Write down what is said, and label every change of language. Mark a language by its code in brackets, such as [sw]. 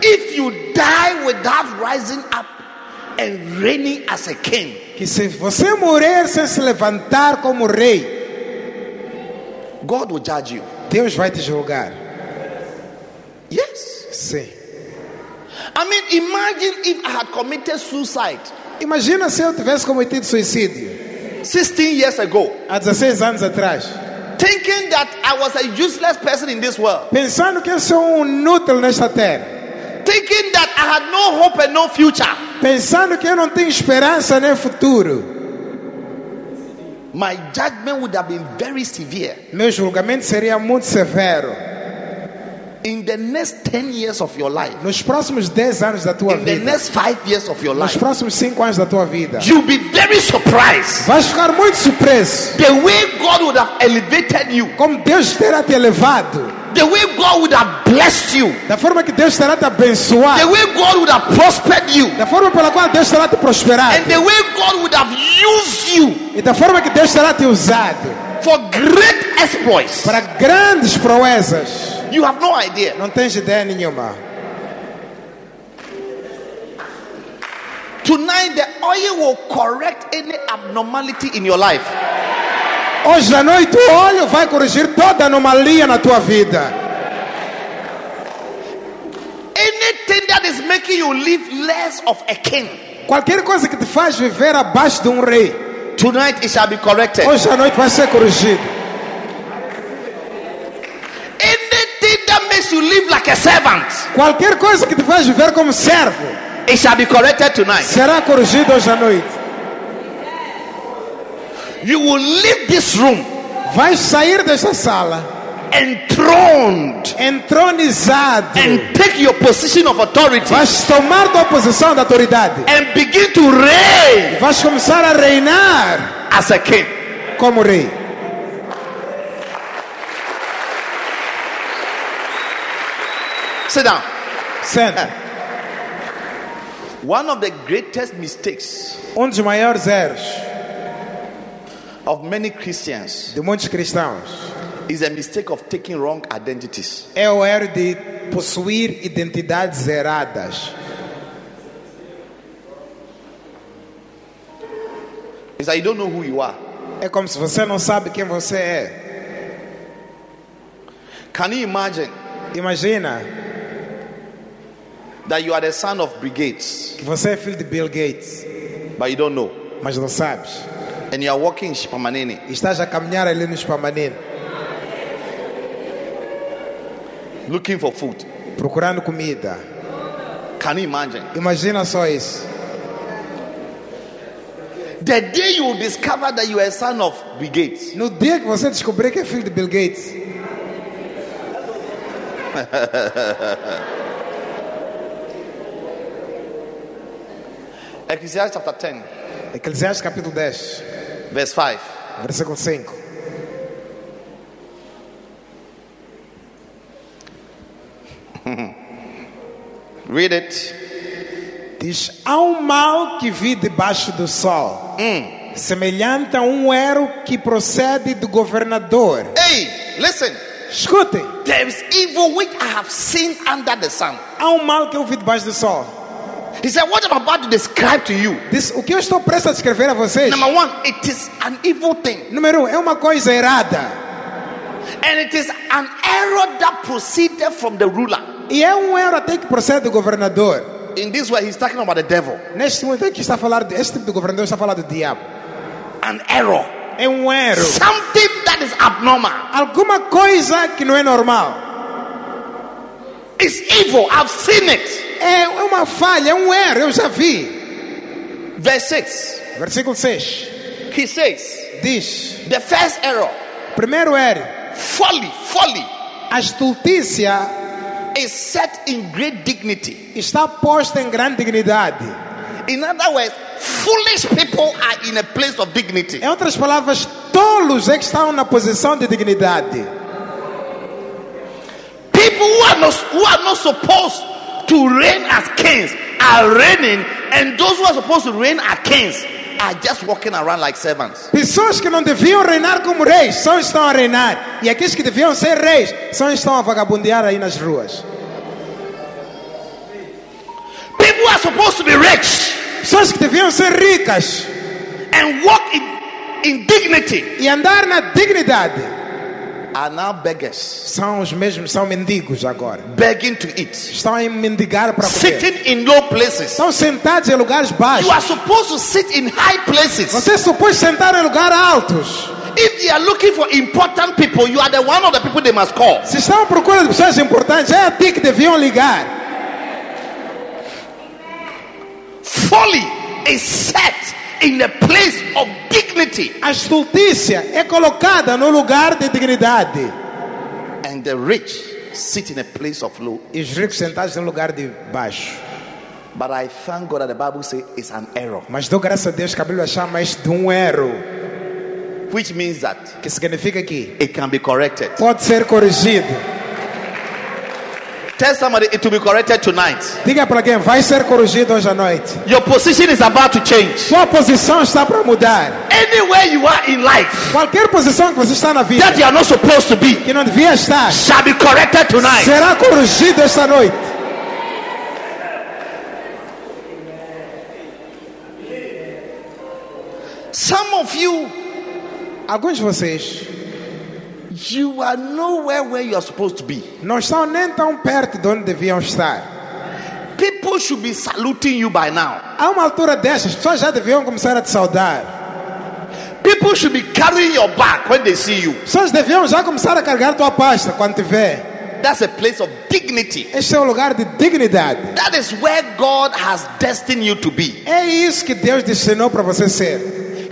[en] If you die without rising up and reigning as a king. [pt] Que se você morrer sem se levantar como rei. [en] God will judge you. [pt] Deus vai te julgar. [en] Yes. [pt] Sim. [en] I mean, imagine if I had committed suicide. [pt] Imagina se eu tivesse cometido suicídio. [en] 16 years ago. [pt] Há 16 anos atrás. [en] Thinking that I was a useless person in this world. [pt] Pensando que eu sou inútil nesta terra. [en] Thinking that I had no hope and no future. [pt] Pensando que eu não tenho esperança nem futuro. [en] My judgment would have been very severe. [pt] Meu julgamento seria muito severo. [en] In the next 10 years of your life. [pt] Nos próximos 10 anos da tua vida. [en] In the next 5 years of your life. [pt] Nos próximos 5 anos da tua vida. [en] You'll be very surprised. [pt] Vais ficar muito surpreso. [en] The way God God would have elevated you. [pt] Como Deus terá te elevado. [en] The way God would have blessed you. [pt] Da forma que Deus terá te abençoado. [en] The way God would have prospered you. [pt] Da forma pela qual Deus terá te prosperado. [en] And the way God would have used you. [pt] E da forma que Deus terá te usado. [en] For great exploits. [pt] Para grandes proezas. [en] You have no idea. [pt] Não tens ideia nenhuma. [en] Tonight the oil will correct any abnormality in your life. [pt] Hoje à noite o óleo vai corrigir toda anomalia na tua vida. [en] Anything that is making you live less of a king. [pt] Qualquer coisa que te faz viver abaixo de rei. [en] Tonight it shall be corrected. [pt] Hoje à noite vai ser corrigido. [en] Anything that makes you live like a servant. [pt] Qualquer coisa que te faz viver como servo. [en] It shall be corrected tonight. [pt] Será corrigido hoje à noite. [en] You will leave this room. [pt] Vai sair dessa sala. [en] Enthroned. [pt] Entronizado. [en] And take your position of authority. [pt] Vai tomar tua posição de autoridade. [en] And begin to reign. [pt] Vai começar a reinar. [en] As a king. [pt] Como rei. [en] Sit down. [pt] Senta. [en] One of the greatest mistakes. [pt] Um dos maiores erros. [en] Of many Christians, [pt] de muitos cristãos, [en] is a mistake of taking wrong identities. [pt] É o erro de possuir identidades erradas. [en] It's like you don't know who you are. [pt] É como se você não sabe quem você é. [en] Can you imagine? [pt] Imagina [en] that you are the son of Bill Gates. [pt] Que você é filho de Bill Gates. [en] But you don't know. [pt] Mas não sabes. [en] And you are walking in Shipamanini. [pt] Estás a caminhar ali no Shipamanini. [en] Looking for food. [pt] Procurando comida. [en] Can you imagine? [pt] Imagina só isso. [en] The day you discover that you are a son of Bill Gates. [pt] No dia que você descobrir que é filho de Bill Gates. [en] Ecclesiastes chapter 10. [pt] Ecclesiastes capítulo 10. [en] Verse 5. [pt] Versículo 5. [en] Read it. [pt] Diz: há um mal que vi debaixo do sol, semelhante a um erro que procede do governador. [en] Hey, listen. [pt] Escute. [en] There is evil which I have seen under the sun. [pt] Há um mal que eu vi debaixo do sol. [en] He said, "What am I about to describe to you?" [pt] This, o que eu estou prestes a descrever a vocês? [en] Number one, it is an evil thing. [pt] Número um, é uma coisa errada. [en] And it is an error that proceeded from the ruler. [pt] E é um erro até que procede do governador. [en] In this way, he's talking about the devil. [pt] Neste momento, ele está a falar deste tipo de governador, está a falar do diabo. [en] An error. [pt] É um erro. [en] Something that is abnormal. [pt] Alguma coisa que não é normal. [en] It's evil. I've seen it. [pt] É uma falha, é um erro, eu já vi. Versículo 6. [en] He says, [pt] diz, [en] the first error. [pt] Primeiro erro. [en] Folly. [pt] A estultícia [en] is set in great dignity. [pt] Está posta em grande dignidade. [en] In other words, foolish people are in a place of dignity. [pt] Em outras palavras, tolos é que estão na posição de dignidade. [en] People who are not supposed to reign as kings are reigning, and those who are supposed to reign as kings are just walking around like servants. [pt] Pessoas que não deviam reinar como reis só estão a reinar, e aqueles que deviam ser reis só estão a vagabundear aí nas ruas. [en] People are supposed to be rich. [pt] Pessoas que deviam ser ricas [en] and walk in dignity. [pt] E andar na dignidade. [en] Are now beggars. [pt] São os mesmos, são mendigos agora. [en] Begging to eat. [pt] Estão a mendigar para comer. [en] Sitting in low places. [pt] Estão sentados em lugares baixos. [en] You are supposed to sit in high places. [pt] Você é suposto sentar em lugares altos. [en] If they are looking for important people, you are the one of the people they must call. [pt] Se estão procurando pessoas importantes, é a ti que deviam ligar. [en] Folly is set in a place of dignity. [pt] A estultícia é colocada no lugar de dignidade. [en] And the rich sit in a place of low. [pt] Os ricos sentados no lugar de baixo. [en] But I thank God that the Bible says it's an error. [pt] Mas dou graças a Deus que a Bíblia chama isso de um erro. [en] which means that [pt] que significa que [en] it can be corrected. [pt] Pode ser corrigido. [en] Tell somebody it will be corrected tonight. [pt] Diga para alguém, vai ser corrigido hoje à noite. [en] Your position is about to change. [pt] Sua posição está para mudar. [en] Anywhere you are in life, [pt] qualquer posição que você está na vida, [en] that you are not supposed to be, [pt] que não devia estar, [en] shall be corrected tonight. [pt] Será corrigido esta noite. [en] Some of you, [pt] alguns de vocês, [en] you are nowhere where you are supposed to be. [pt] Não estão nem tão perto de onde deviam estar. [en] People should be saluting you by now. [pt] A uma altura dessas, as pessoas já deviam começar a te saudar. [en] People should be carrying your bag when they see you. [pt] As pessoas deviam já começar a carregar tua pasta quando te vê. [en] That's a place of dignity. [pt] Esse é um lugar de dignidade. [en] That is where God has destined you to be. [pt] É isso que Deus destinou para você ser.